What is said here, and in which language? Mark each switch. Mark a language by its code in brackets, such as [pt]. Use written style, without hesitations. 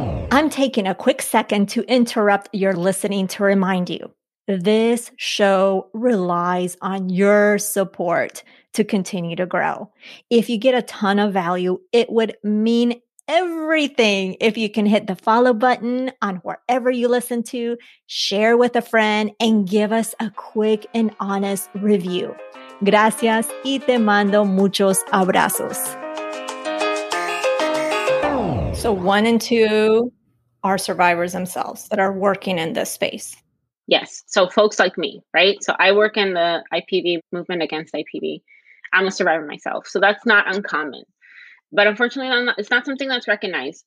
[en] I'm taking a quick second to interrupt your listening to remind you, this show relies on your support to continue to grow. If you get a ton of value, it would mean everything if you can hit the follow button on wherever you listen to, share with a friend, and give us a quick and honest review. [es] Gracias y te mando muchos abrazos. [en] So 1 in 2 are survivors themselves that are working in this space. Yes. So folks like me, right? So I work in the IPV movement against IPV. I'm a survivor myself. So that's not uncommon. But unfortunately, it's not something that's recognized.